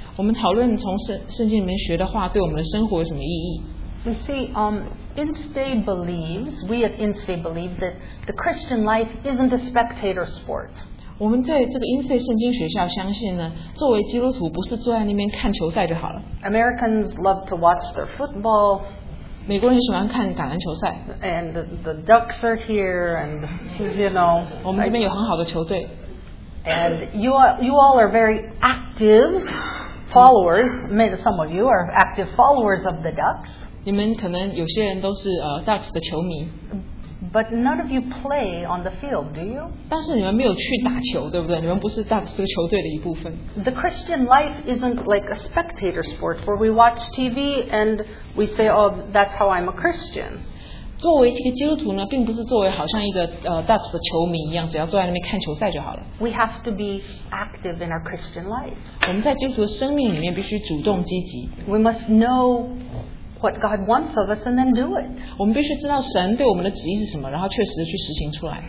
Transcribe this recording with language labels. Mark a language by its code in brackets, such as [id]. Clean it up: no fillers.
[zh] 我们讨论从圣经里面学的话对我们的生活有什么意义。 [en] You see, Instay believes, we at Instay believe that the Christian life isn't a spectator sport. [zh] 我们在这个 Instay 圣经学校相信呢，作为基督徒不是坐在那边看球赛就好了。 [en] Americans love to watch their football. [zh] 美国人喜欢看橄榄球赛。 [en] And the Ducks are here, and you know. [zh] 我们这边有很好的球队。 [en] And you all are very active followers. Maybe some of you are active followers of the Ducks. [zh] 你们可能有些人都是Ducks 的球迷。 [en] But none of you play on the field, do you? [zh] 但是你们没有去打球，对不对？你们不是大这个球队的一部分。 [en] The Christian life isn't like a spectator sport where we watch TV and we say, "Oh, that's how I'm a Christian." [zh] 作为这个基督徒呢，并不是作为好像一个大的球迷一样，只要坐在那边看球赛就好了。 [en] We have to be active in our Christian life. [zh] 我们在基督徒的生命里面必须主动积极。 [en] We must know. What God wants of us, and then do it. [zh] 我们必须知道神对我们的旨意是什么，然后确实去实行出来。